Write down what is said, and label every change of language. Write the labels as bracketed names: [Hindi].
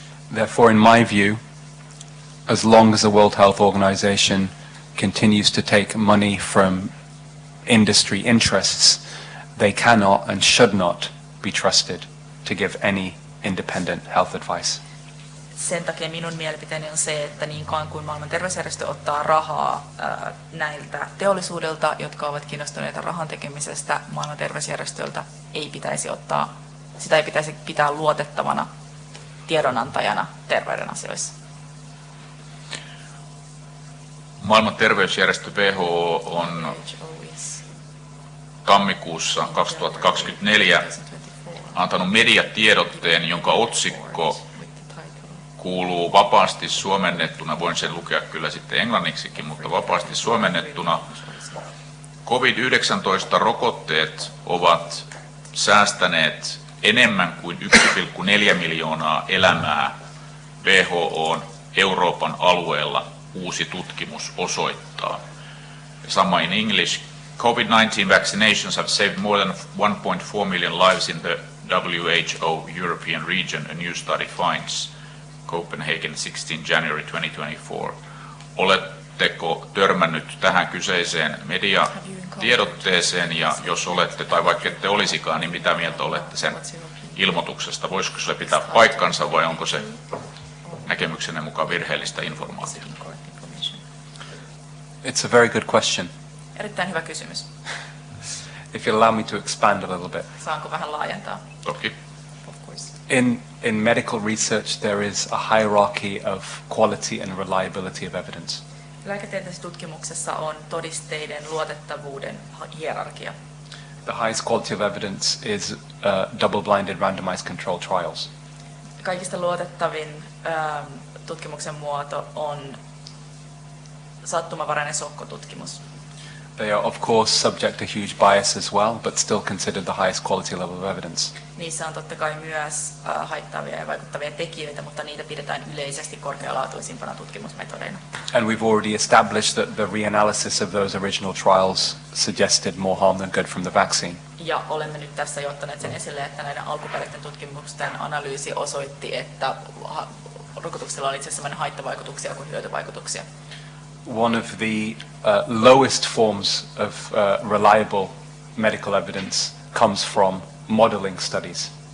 [English] Therefore, in my view, as long as the World Health Organization continues to take money from industry interests, they cannot and should not be trusted to give any independent health advice. [Finnish] Sen takia minun mielipiteeni on se, että niin kauan kuin maailman terveysjärjestö ottaa rahaa näiltä teollisuudelta, jotka ovat kiinnostuneita rahan tekemisestä, maailman terveysjärjestöltä ei pitäisi ottaa, sitä ei pitäisi pitää luotettavana tiedonantajana terveyden asioissa. Maailman terveysjärjestö WHO on tammikuussa 2024 antanut mediatiedotteen, jonka otsikko kuuluu vapaasti suomennettuna, voin sen lukea kyllä sitten englanniksikin, mutta vapaasti suomennettuna. COVID-19-rokotteet ovat säästäneet enemmän kuin 1,4 miljoonaa elämää WHO:n Euroopan alueella, uusi tutkimus osoittaa. [English] Sama in English. COVID-19 vaccinations have saved more than 1.4 million lives in the WHO European region, a new study finds, Copenhagen 16 January 2024. [Finnish] Oletteko törmännyt tähän kyseiseen mediatiedotteeseen, ja jos olette, tai vaikka ette olisikaan, niin mitä mieltä olette sen ilmoituksesta? Voisiko se pitää paikkansa, vai onko se näkemyksenne mukaan virheellistä informaatiota? [English] It's a very good question. [Finnish] Erittäin hyvä kysymys. [English] If you allow me to expand a little bit. [Finnish] Saanko vähän laajentaa? [English] Okay. Of course. In medical research there is a hierarchy of quality and reliability of evidence. [Finnish] Lääketieteellisessä tutkimuksessa on todisteiden luotettavuuden hierarkia. [English] The highest quality of evidence is double-blinded randomized controlled trials. [Finnish] Kaikista luotettavin tutkimuksen muoto on sattumanvarainen sokkotutkimus. [English] They are of course subject to huge bias as well, but still considered the highest quality level of evidence. [Finnish] Niissä on totta kai myös haittaavia ja vaikuttavia tekijöitä, mutta niitä pidetään yleisesti korkealaatuisimpana tutkimusmetodeina. [English] And we've already established that the reanalysis of those original trials suggested more harm than good from the vaccine. [Finnish] Ja olemme nyt tässä jo ottaneet sen esille, että näiden alkuperäisten tutkimusten analyysi osoitti, että rokotuksella oli itse asiassa enemmän haittavaikutuksia kuin hyötyvaikutuksia. [English] One of the lowest forms of reliable medical evidence comes from modeling studies.